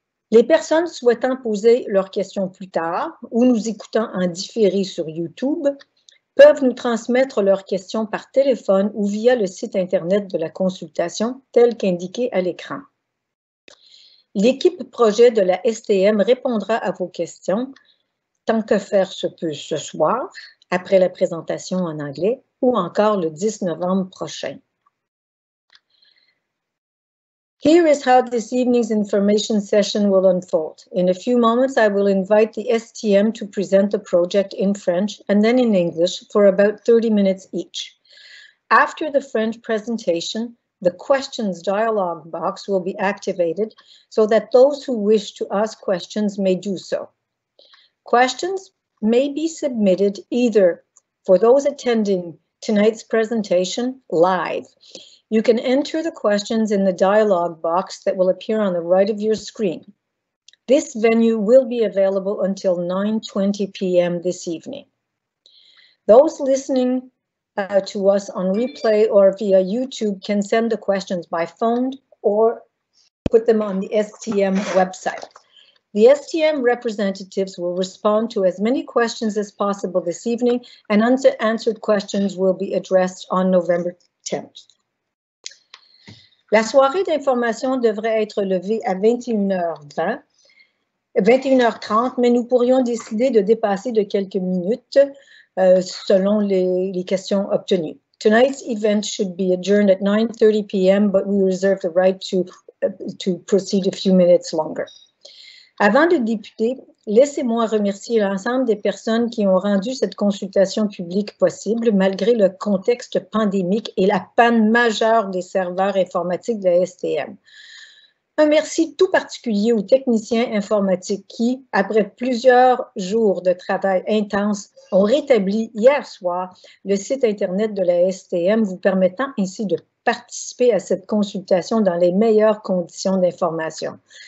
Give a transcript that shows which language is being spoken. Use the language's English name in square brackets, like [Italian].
[French] Les personnes souhaitant poser leurs questions plus tard ou nous écoutant en différé sur YouTube peuvent nous transmettre leurs questions par téléphone ou via le site Internet de la consultation tel qu'indiqué à l'écran. L'équipe projet de la STM répondra à vos questions, tant que faire se peut ce soir, après la présentation en anglais, ou encore le 10 novembre prochain. [English] Here is how this evening's information session will unfold. In a few moments, I will invite the STM to present the project in French and then in English for about 30 minutes each. After the French presentation, the questions dialogue box will be activated so that those who wish to ask questions may do so. Questions may be submitted either for those attending tonight's presentation live. You can enter the questions in the dialogue box that will appear on the right of your screen. This venue will be available until 9:20 p.m. this evening. Those listening to us on replay or via YouTube can send the questions by phone or put them on the STM website. The STM representatives will respond to as many questions as possible this evening, and unanswered questions will be addressed on November 10th. [French] La soirée d'information devrait être levée à 21h30, mais nous pourrions décider de dépasser de quelques minutes selon les questions obtenues. [English] Tonight's event should be adjourned at 9:30 p.m., but we reserve the right to proceed a few minutes longer. [French] Avant de débuter, laissez-moi remercier l'ensemble des personnes qui ont rendu cette consultation publique possible malgré le contexte pandémique et la panne majeure des serveurs informatiques de la STM. Un merci tout particulier aux techniciens informatiques qui, après plusieurs jours de travail intense, ont rétabli hier soir le site Internet de la STM, vous permettant ainsi de participer à cette consultation dans les meilleures conditions d'information.